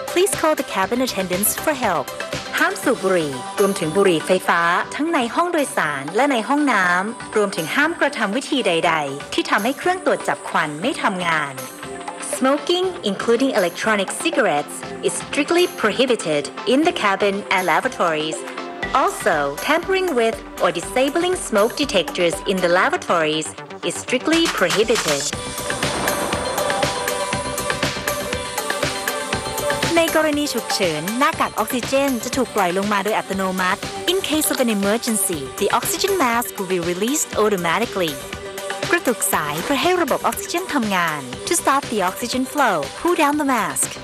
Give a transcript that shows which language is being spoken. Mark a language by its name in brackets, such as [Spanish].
[English] Please call the cabin attendants for help. [Thai] ห้ามสูบบุหรี่รวมถึงบุหรี่ไฟฟ้าทั้งในห้องโดยสารและในห้องน้ำรวมถึงห้ามกระทำวิธีใดๆที่ทำให้เครื่องตรวจจับควันไม่ทำงาน [English] Smoking, including electronic cigarettes,is strictly prohibited in the cabin and lavatories. Also, tampering with or disabling smoke detectors in the lavatories is strictly prohibited. [Thai] ในกรณีฉุกเฉินหน้ากากออกซิเจนจะถูกปล่อยลงมาโดยอัตโนมัติ [English] In case of an emergency, the oxygen mask will be released automatically. [Thai] กระตุกสายเพื่อให้ระบบออกซิเจนทำงาน [English] To start the oxygen flow, pull down the mask.